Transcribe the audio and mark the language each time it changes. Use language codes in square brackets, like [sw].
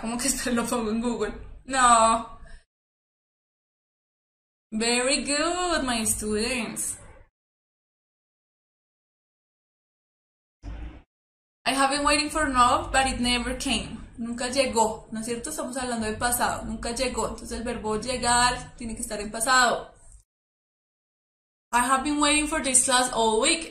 [es] Como que esto lo pongo en Google. No. [en] Very good, my students. I have been waiting for love, but it never came. [es] Nunca llegó, ¿no es cierto? Estamos hablando de pasado. Nunca llegó. Entonces el verbo llegar tiene que estar en pasado. [en] I have been waiting for this class all week.